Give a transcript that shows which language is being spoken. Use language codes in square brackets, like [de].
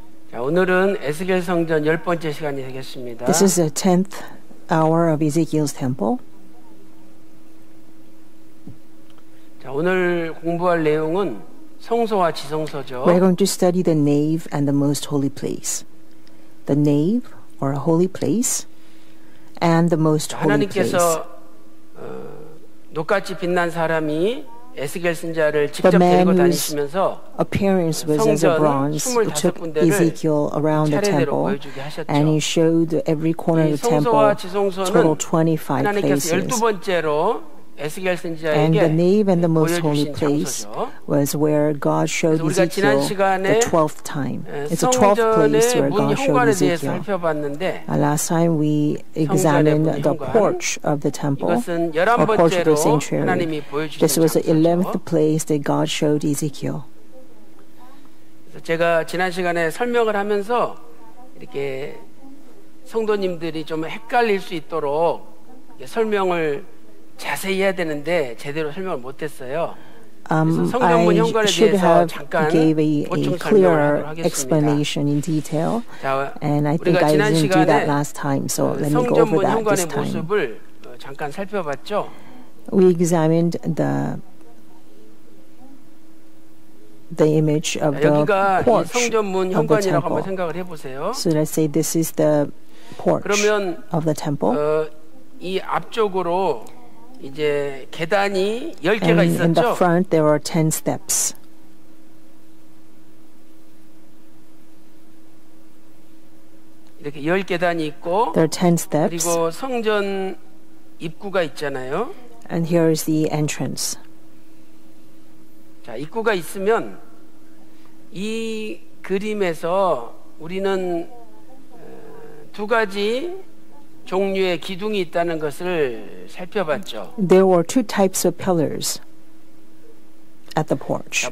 [ko] 자, 오늘은 에스겔 성전 열 번째 시간이 되겠습니다. [en] This is the 10th hour of Ezekiel's temple. [ko] 자, 오늘 공부할 내용은 성소와 지성소죠. [en] We're going to study the nave and the most holy place. The nave or a holy place and the most holy place. [ko] 하나님께서 녹같이 빛난 사람이 에스겔 선지자를 직접 데리고 다니시면서 [en] appearance was as a bronze who took Ezekiel around the temple and he showed every corner of the temple total 25 places. [ko] 12번째로 에스겔 선지자에게 [en] And the nave and the most holy place was where God showed Ezekiel the 12th time. It's a 12th place where God showed Ezekiel. Last time we examined the porch of the temple, the porch of the sanctuary. This was the 11th place that God showed Ezekiel. [ko] 제가 지난 시간에 설명을 하면서 이렇게 성도님들이 좀 헷갈릴 수 있도록 설명을 자세히 해야 되는데 제대로 설명을 못 했어요. [en] I should have gave a clearer explanation in detail. 자, and I think I didn't do that last time. So let me go over that this time. [ko] 모습을 잠깐 살펴봤죠. [en] We examined the image of the porch of the temple. So let's say this is the porch [ko] 그러면, [en] of the temple. [ko] 이 앞쪽으로 이제 계단이 열 개가 [en] and [ko] 있었죠. [en] In the front there are 10 steps. [ko] 이렇게 열 계단이 있고 [en] there are 10 steps. [ko] 그리고 성전 입구가 있잖아요. [en] And here is the entrance. [ko] 자, 입구가 있으면 이 그림에서 우리는 두 가지 종류의 기둥이 있다는 것을 살펴봤죠. [en] There were two types of pillars at the porch.